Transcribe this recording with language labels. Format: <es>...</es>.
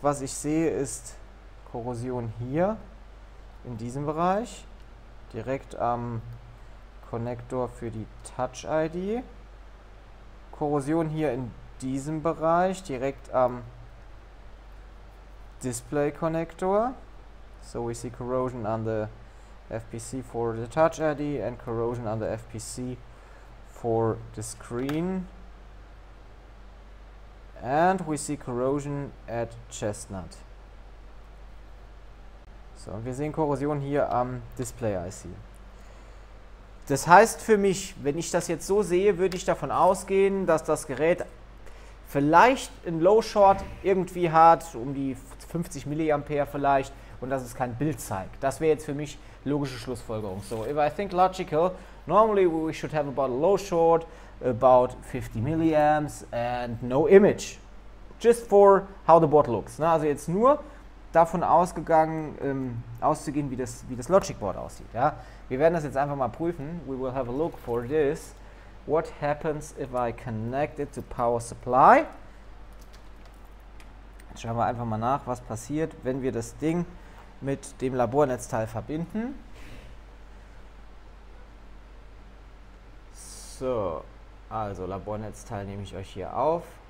<de>Was ich sehe, ist Korrosion hier in diesem Bereich, direkt am Connector für die Touch-ID. Korrosion hier in diesem Bereich, direkt am Display-Connector.</de> <en>So we see corrosion on the FPC for the Touch ID and corrosion on the FPC for the screen. And we see corrosion at Chestnut.</en> <de>So, wir sehen Korrosion hier am Display IC. Das heißt für mich, wenn ich das jetzt so sehe, würde ich davon ausgehen, dass das Gerät vielleicht ein Low Short irgendwie hat, um die 50 mA vielleicht, und dass es kein Bild zeigt. Das wäre jetzt für mich logische Schlussfolgerung.</de> <en>So, if I think logical, normally we should have about a low short, about 50 milliamps and no image. Just for how the board looks. Ne?</en> <de>Also jetzt nur davon ausgegangen, auszugehen, wie das Logic Board aussieht. Ja? Wir werden das jetzt einfach mal prüfen.</de> <en>We will have a look for this. What happens if I connect it to power supply?</en> <de>Jetzt schauen wir einfach mal nach, was passiert, wenn wir das Ding mit dem Labornetzteil verbinden. So, also Labornetzteil nehme ich euch hier auf.</de>